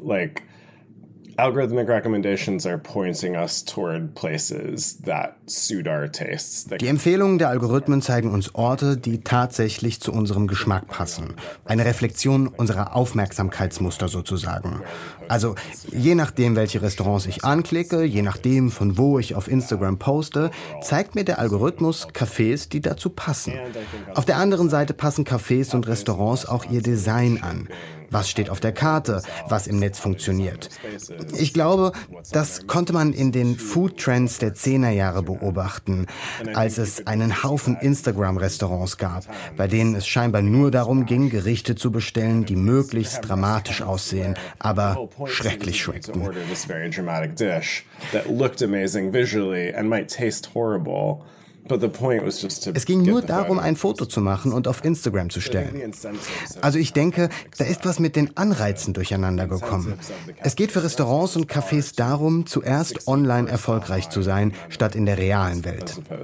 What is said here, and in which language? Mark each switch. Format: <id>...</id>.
<en>Like, algorithmic recommendations are pointing us toward places that suit our tastes.</en> <de>Die Empfehlungen der Algorithmen zeigen uns Orte, die tatsächlich zu unserem Geschmack passen. Eine Reflexion unserer Aufmerksamkeitsmuster sozusagen. Also, je nachdem, welche Restaurants ich anklicke, je nachdem, von wo ich auf Instagram poste, zeigt mir der Algorithmus Cafés, die dazu passen. Auf der anderen Seite passen Cafés und Restaurants auch ihr Design an. Was steht auf der Karte, was im Netz funktioniert. Ich glaube, das konnte man in den Food-Trends der 10er-Jahre beobachten, als es einen Haufen Instagram-Restaurants gab, bei denen es scheinbar nur darum ging, Gerichte zu bestellen, die möglichst dramatisch aussehen, aber schrecklich schmeckten.</de> <en>This very dramatic dish that looked amazing visually and might taste horrible. But the point was just to</en> <de>es ging nur darum, ein Foto zu machen und auf Instagram zu stellen. Also ich denke, da ist was mit den Anreizen durcheinander gekommen. Es geht für Restaurants und Cafés darum, zuerst online erfolgreich zu sein, statt in der realen Welt.</de>